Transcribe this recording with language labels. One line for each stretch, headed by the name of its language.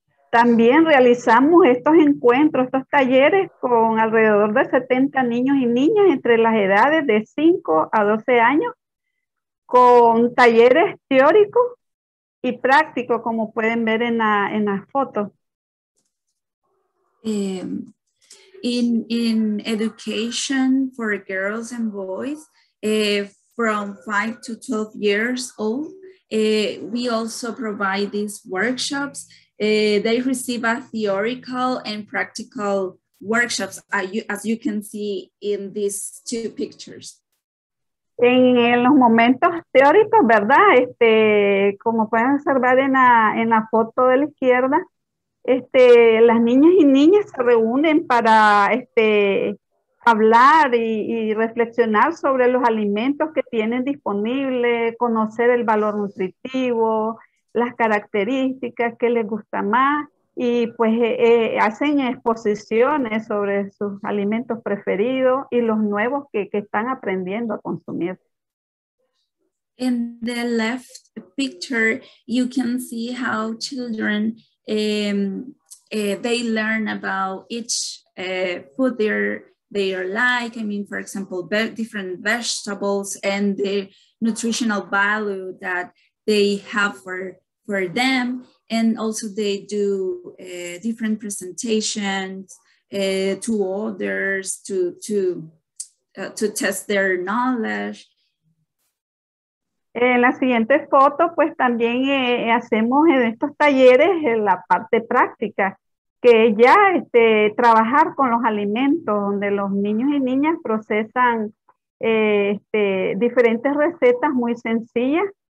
Spanish: También realizamos estos encuentros, estos talleres con alrededor de 70 niños y niñas entre las edades de 5 a 12 años, con talleres teóricos y prácticos, como pueden ver en la foto.
English: In education for girls and boys from 5 to 12 years old, we also provide these workshops. They receive a theoretical and practical workshops, as you can see in these two pictures.
Spanish: En los momentos teóricos, ¿verdad? Como pueden observar en la foto de la izquierda, las niñas y niñas se reúnen para hablar y reflexionar sobre los alimentos que tienen disponibles, conocer el valor nutritivo, las características que les gusta más y pues hacen exposiciones sobre sus alimentos preferidos y los nuevos que están aprendiendo a consumir.
English: In the left picture, you can see how children they learn about each food they like. I mean, for example, different vegetables and the nutritional value that they have for them, and also they do different presentations to others to test their knowledge.
Spanish: En la siguiente foto, pues también hacemos en estos talleres en la parte práctica, que ya trabajar con los alimentos, donde los niños y niñas procesan diferentes recetas muy sencillas,